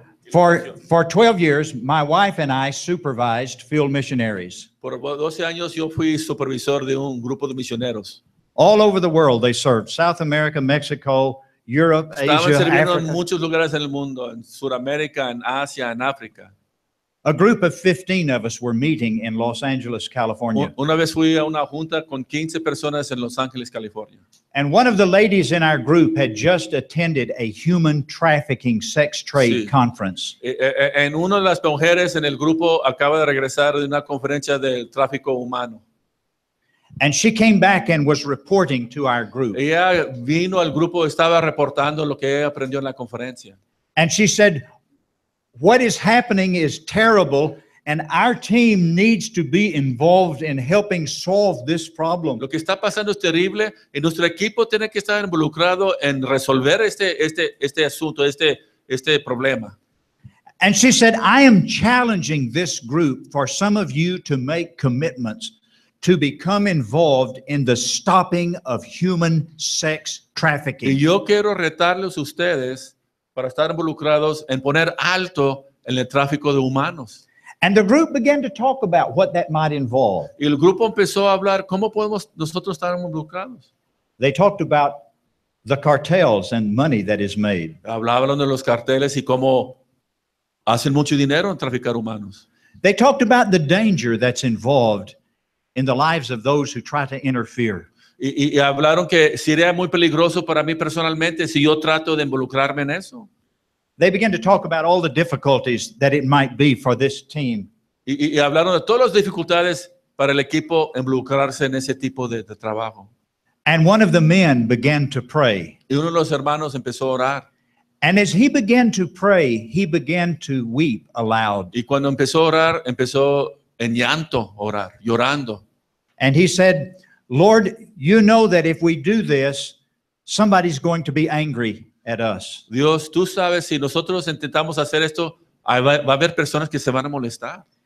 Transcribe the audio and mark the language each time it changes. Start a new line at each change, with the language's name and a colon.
English: For 12 years, my wife and I supervised field missionaries.
Spanish: Por 12 años, yo fui supervisor de un grupo de misioneros.
English: All over the world, they served. South America, Mexico, Europe,
Spanish: Estaban
English: Asia, Africa.
Spanish: Estaban sirviendo en muchos lugares en el mundo, en Sudamérica, en Asia, en África.
English: A group of 15 of us were meeting in Los Angeles, California.
Spanish: Una vez fui a una junta con 15 personas en Los Ángeles, California.
English: And one of the ladies in our group had just attended a human trafficking sex trade sí. conference.
Spanish: En una de las mujeres en el grupo acaba de regresar de una conferencia del tráfico humano.
English: And she came back and was reporting to our group.
Spanish: Ella vino al grupo, estaba reportando lo que aprendió en la conferencia.
English: And she said, "What is happening is terrible, and our team needs to be involved in helping solve this problem."
Spanish: Lo que está pasando es terrible, y nuestro equipo tiene que estar involucrado en resolver este asunto, este problema.
English: And she said, "I am challenging this group for some of you to make commitments to become involved in the stopping of human sex trafficking."
Spanish: Y yo quiero retarlos a ustedes para estar involucrados en poner alto en el tráfico de humanos.
English: And the group began to talk about what that might involve.
Spanish: Y el grupo empezó a hablar cómo podemos nosotros estar involucrados.
English: They talked about the cartels and money that is made.
Spanish: Hablaban de los carteles y cómo hacen mucho dinero en traficar humanos.
English: They talked about the danger that's involved in the lives of those who try to interfere.
Spanish: Y hablaron que sería muy peligroso para mí personalmente si yo trato de involucrarme en eso.
English: They began to talk about all the difficulties that it might be for this team.
Spanish: Y hablaron de todas las dificultades para el equipo involucrarse en ese tipo de trabajo.
English: And one of the men began to pray.
Spanish: Y uno de los hermanos empezó a orar.
English: And as he began to pray, he began to weep aloud.
Spanish: Y cuando empezó a orar, empezó en llanto a orar, llorando.
English: And he said, "Lord, you know that if we do this, somebody's going to be angry at us."
Spanish: Dios, tú sabes, si nosotros intentamos hacer esto, va a haber personas que se van a molestar.